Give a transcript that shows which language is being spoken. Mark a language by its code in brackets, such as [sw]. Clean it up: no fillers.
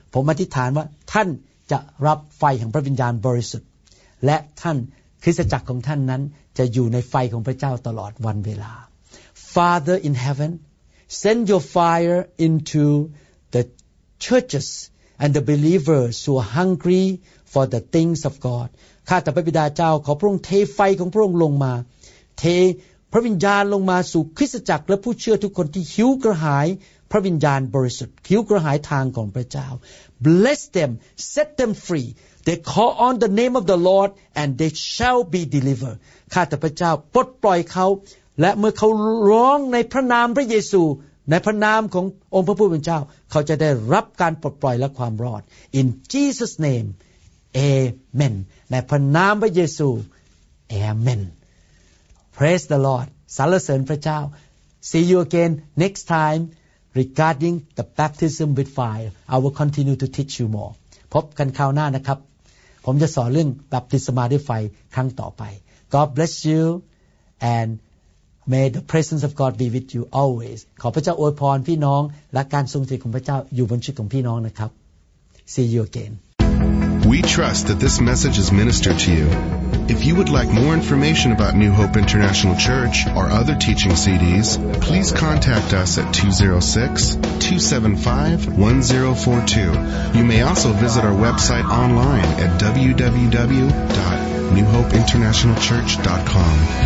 [th] ผมอธิษฐานว่าท่านจะรับไฟแห่งพระวิญญาณบริสุทธิ์และท่านคริสตจักรของท่านนั้นจะอยู่ในไฟของพระเจ้าตลอดวันเวลา [en] Father in heaven, send your fire into the churches and the believers who are hungry for the things of God. [th] ข้าแต่พระบิดาเจ้าขอพระองค์เทไฟของพระองค์ลงมาเทพระวิญญาณลงมาสู่คริสตจักรและผู้เชื่อทุกคนที่หิวกระหายพระวิญญาณบริสุทธิ์หิวกระหายทางของพระเจ้า [en] Bless them, set them free. They call on the name of the Lord and they shall be delivered. [th] ข้าแต่พระเจ้าปลดปล่อยเขาและเมื่อเขาร้องในพระนามพระเยซูในพระนามขององค์พระผู้เป็นเจ้าเขาจะได้รับการปลดปล่อยและความรอด [en] In Jesus' name, Amen. [th] ในพระนามพระเยซู [en] AmenPraise the Lord. [th] สรรเสริญพระเจ้า [en] See you again next time regarding the baptism with fire. I will continue to teach you more. [th] พบกันคราวหน้านะครับผมจะสอนเรื่องบัพติศมาด้วยไฟครั้งต่อไป [en] God bless you and may the presence of God be with you always. [th] ขอพระเจ้าอวยพรพี่น้องและการทรงสถิตของพระเจ้าอยู่บนชีวิตของพี่น้องนะครับ [en] See you again. We trust that this message is ministered to you. If you would like more information about New Hope International Church or other teaching CDs, please contact us at 206-275-1042. You may also visit our website online at www.newhopeinternationalchurch.com.